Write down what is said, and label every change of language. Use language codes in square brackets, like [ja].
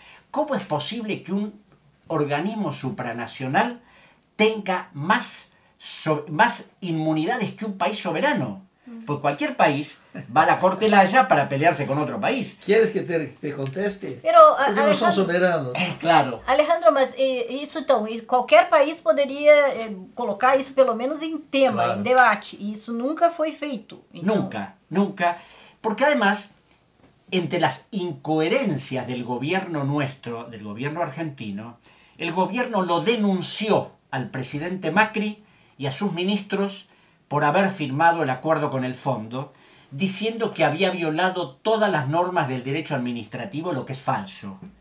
[es] ¿Cómo es posible que un organismo supranacional tenga más inmunidades que un país soberano? Pues cualquier país va a la Corte de la Haya para pelearse con otro país. ¿Quieres que te conteste? Pero, porque no son soberanos. Claro. [pt] Alejandro, mas isso então, qualquer país poderia colocar isso pelo menos em tema, claro, em debate. E isso nunca foi feito. Então... Nunca, nunca. [es] Porque además, entre las incoherencias del gobierno nuestro, del gobierno argentino, el gobierno lo denunció al presidente Macri y a sus ministros por haber firmado el acuerdo con el fondo, diciendo que había violado todas las normas del derecho administrativo, lo que es falso.